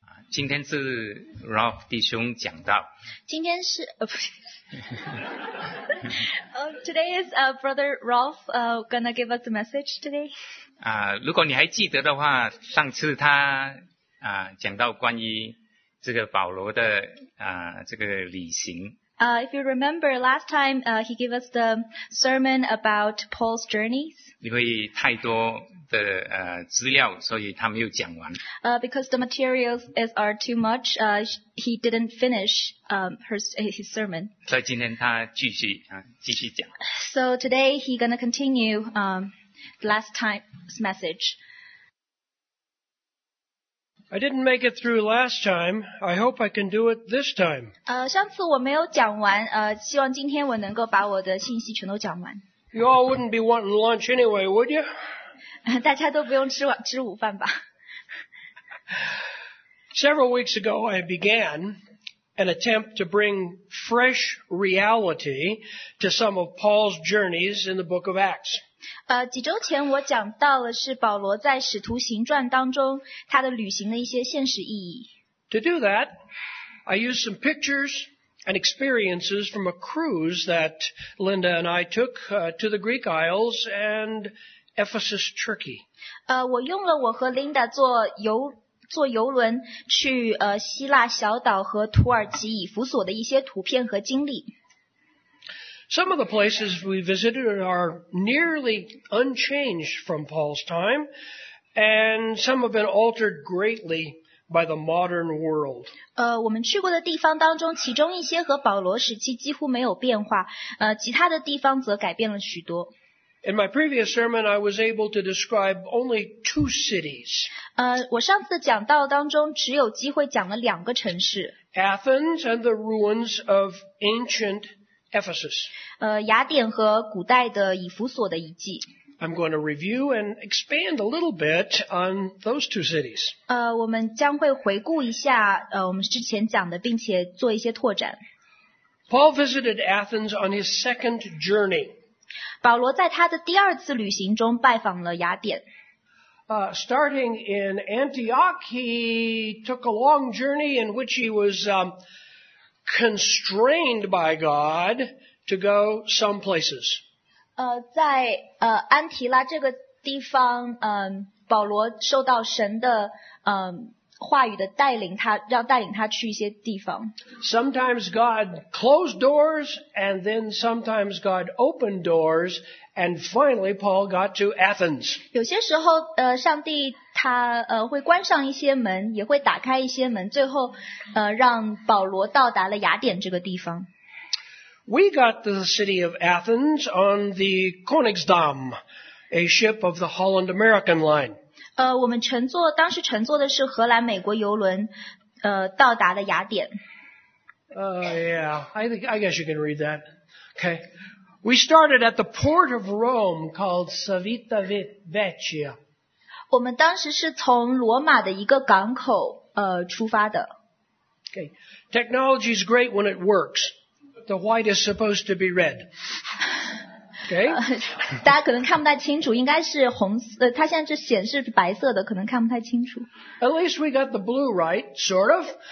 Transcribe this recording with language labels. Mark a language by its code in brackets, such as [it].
[zh] 今天是 Ralph 弟兄讲到。今天是 [en] today is brother Ralph gonna give us a message today. [zh] 如果你还记得的话，上次他讲到关于这个保罗的这个旅行。 [en] If you remember last time, he gave us the sermon about Paul's journeys. [zh] 因为太多的资料，所以他没有讲完。 [en] Because the materials are too much, he didn't finish his sermon. [zh] 所以今天他继续讲。 [en] So today he's gonna continue last time's message. I didn't make it through last time. I hope I can do it this time. [zh] 上次我没有讲完，希望今天我能够把我的信息全都讲完。 [en] You all wouldn't be wanting lunch anyway, would you? [zh] 大家都不用吃午饭吧。 [en] Several weeks ago, I began an attempt to bring fresh reality to some of Paul's journeys in the book of Acts. [zh] 几周前我讲到了是保罗在使徒行传当中他的旅行的一些现实意义。 [en] To do that, I used some pictures and experiences from a cruise that Linda and I took to the Greek Isles andEphesus, Turkey. [zh] 我用了我和 Linda 坐游轮去希腊小岛和土耳其以弗所的一些图片和经历。 [en] Some of the places we visited are nearly unchanged from Paul's time, and some have been altered greatly by the modern world. [zh] 我们去过的地方当中，其中一些和保罗时期几乎没有变化，其他的地方则改变了许多。 [en] In my previous sermon, I was able to describe only two cities. [zh] 我上次讲到当中只有机会讲了两个城市。 [en] Athens and the ruins of ancient Ephesus. [zh] 雅典和古代的以弗所的遗迹。 [en] I'm going to review and expand a little bit on those two cities. [zh] 我们将会回顾一下我们之前讲的并且做一些拓展。 [en] Paul visited Athens on his second journey. [zh] 保罗在他的第二次旅行中拜访了雅典。 [en] Starting in Antioch, he took a long journey in which he was constrained by God to go some places. [zh] 在安提拉这个地方，保罗受到神的话语的带领，带领他去一些地方。 [en] Sometimes God closed doors, and then sometimes God opened doors, and finally Paul got to Athens. [zh] 有些时候，上帝他会关上一些门，也会打开一些门，最后让保罗到达了雅典这个地方。 [en] We got the city of Athens on the Koenigsdam, a ship of the Holland American Line. [zh] 我们当时乘坐的是荷兰美国邮轮，到达了雅典。 [en] I guess you can read that. Okay, we started at the port of Rome called Civita Vecchia. [zh] 我们当时是从罗马的一个港口出发的。 [en] Okay, technology is great when it works. The white is supposed to be red. Okay. [zh] 大家可能看不太清楚，应该是红色，它现在是显示白色的，可能看不太清楚。 [en] At least we got the blue right, sort of.